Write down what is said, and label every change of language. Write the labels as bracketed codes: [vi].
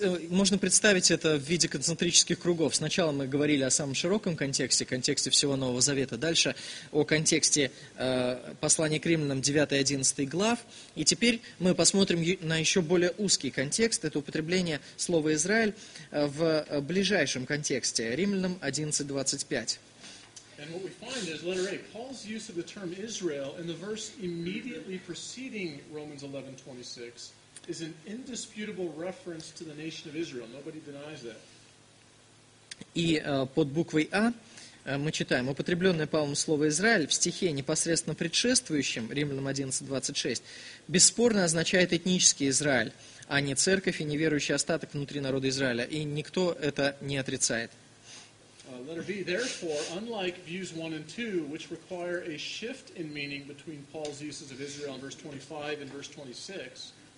[ru] Можно представить это в виде концентрических кругов. Сначала мы говорили о самом широком контексте, контексте всего Нового Завета, дальше о контексте послания к Римлянам 9-11 глав. И теперь мы посмотрим на еще более узкий контекст, это употребление слова «Израиль» в ближайшем контексте, Римлянам 11-25. [en] And what we find is letter A, Paul's use of the term Israel in the verse immediately preceding Romans 11-26 is an indisputable reference to the nation of Israel. Nobody denies that. [ru] И под буквой А мы читаем: употребленное Павлом слово «Израиль» в стихе, непосредственно предшествующем Римлянам 11:26, бесспорно означает этнический Израиль, а не церковь и неверующий остаток внутри народа Израиля. И никто это не отрицает. [en] Letter B. Therefore, unlike views 1 and 2, which require a shift in meaning between Paul's uses of Israel in verse 25 and verse 26,